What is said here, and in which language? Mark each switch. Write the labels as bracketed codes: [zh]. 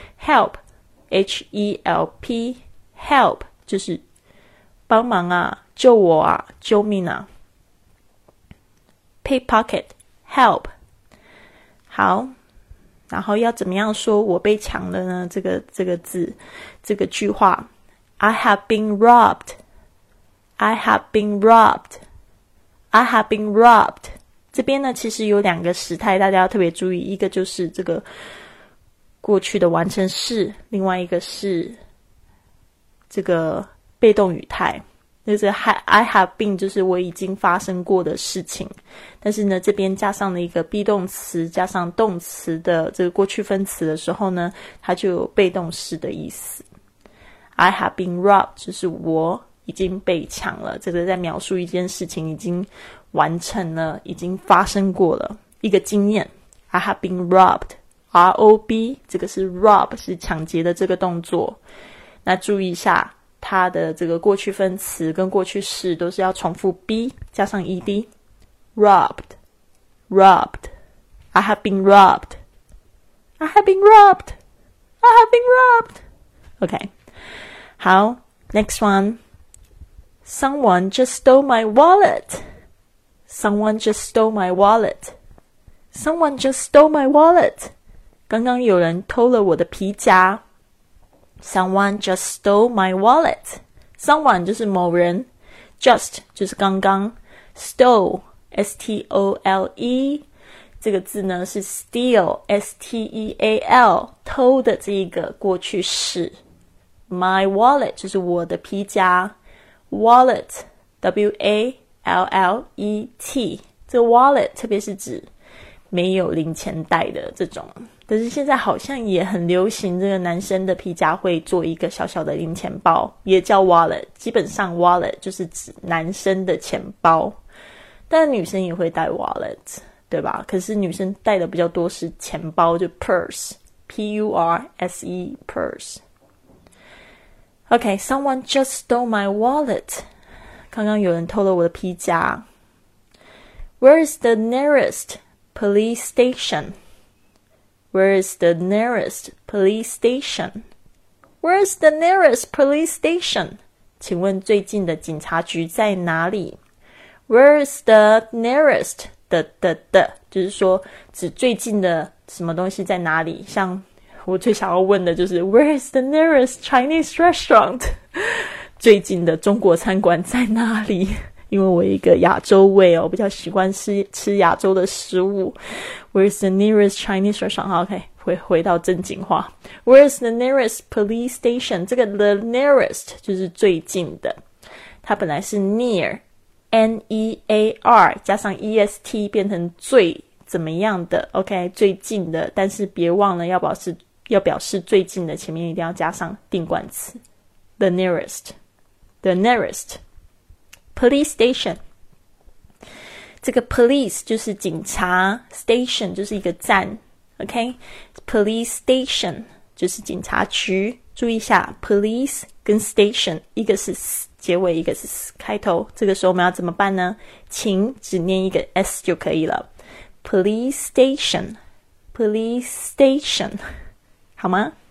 [en] helpHELP help [zh] 就是帮忙啊，救我啊，救命啊。 [en] Pickpocket help。 [zh] 好，然后要怎么样说我被抢了呢？这个字，这个句话 ， [en] I have been robbed. I have been robbed. I have been robbed. [zh] 这边呢，其实有两个时态，大家要特别注意，一个就是这个过去的完成式，另外一个是这个被动语态。就是 I have been 就是我已经发生过的事情，但是呢这边加上了一个 be 动词加上动词的这个过去分词的时候呢，它就有被动式的意思。 I have been robbed 就是我已经被抢了，这个在描述一件事情已经完成了，已经发生过了一个经验。 [en] I have been robbed R-O-B [zh] 这个是 rob 是抢劫的这个动作，那注意一下它的这个过去分词跟过去式都是要重复 be 加上 ed [en] robbed robbed I have been robbed I have been robbed I have been robbed OK [zh] 好 [en] next one Someone just stole my wallet Someone just stole my wallet Someone just stole my wallet [zh] 刚刚有人偷了我的皮夹。 [en] Someone just stole my wallet. [zh] Someone 就是某人 ,just 就是刚刚 ,stole, S-T-O-L-E, 这个字呢是 steal, S-T-E-A-L, 偷的这个过去式。 My wallet 就是我的皮夹 ,wallet, W-A-L-L-E-T, 这个 wallet 特别是指没有零钱袋的这种。可是现在好像也很流行，这个男生的皮夹会做一个小小的零钱包，也叫 wallet。基本上 wallet 就是指男生的钱包，但女生也会带 wallet， 对吧？可是女生带的比较多是钱包，就 purse， P-U-R-S-E， purse。 [en] Okay, someone just stole my wallet. [zh] 刚刚有人偷了我的皮夹。 [en] Where is the nearest police station? Where is the nearest police station? Where is the nearest police station? [zh] 请问最近的警察局在哪里？ [en] Where is the nearest? [zh] 就是说指最近的什么东西在哪里？像我最想要问的就是 [en] Where is the nearest Chinese restaurant? [zh] 最近的中国餐馆在哪里？因为我一个亚洲胃哦，比较习惯吃亚洲的食物。 [en] Where's the nearest Chinese restaurant? [zh] OK, 回到正经话。 [en] Where's the nearest police station? [zh] 这个 the nearest 就是最近的。它本来是 near, N-E-A-R, 加上 E-S-T 变成最怎么样的 ,OK, 最近的。但是别忘了要表示最近的，前面一定要加上定冠词。 [en] The nearest, the nearest. [zh] Police station 这个 police 就是警察 station 就是一个站 OK police station 就是警察局注意一下 police 跟 station 一个是 s 结尾一个是 s 开头这个时候我们要怎么办呢请只念一个 s 就可以了 [en] police station police station [zh] 好吗